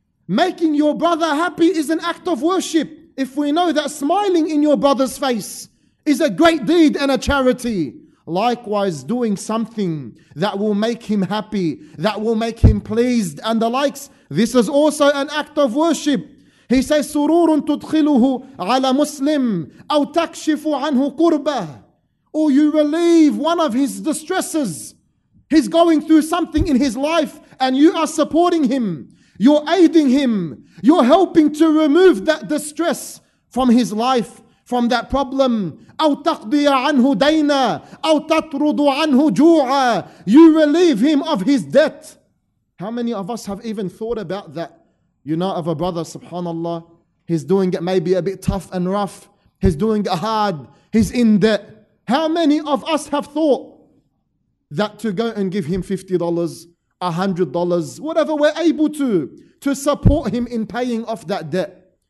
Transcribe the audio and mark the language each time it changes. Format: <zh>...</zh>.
<en>Making your brother happy is an act of worship. If we know that smiling in your brother's face is a great deed and a charity. Likewise, doing something that will make him happy, that will make him pleased and the likes, this is also an act of worship. He says,</en> <ar>سُرُورٌ تُدْخِلُهُ عَلَى مُسْلِمٍ أَوْ تَكْشِفُ عَنْهُ قُرْبَهُ.</ar> <en>Or you relieve one of his distresses. He's going through something in his life and you are supporting him. You're aiding him. You're helping to remove that distress from his life, from that problem.</en> <ar>أَوْ تَقْضِيَ عَنْهُ دَيْنًا أَوْ تَطْرُدُ عَنْهُ جُوعًا.</ar> <en>You relieve him of his debt. How many of us have even thought about that? You know of a brother, subhanAllah, he's doing it maybe a bit tough and rough. He's doing it hard. He's in debt. How many of us have thought that to go and give him $50, $100, whatever we're able to support him in paying off that debt?</en>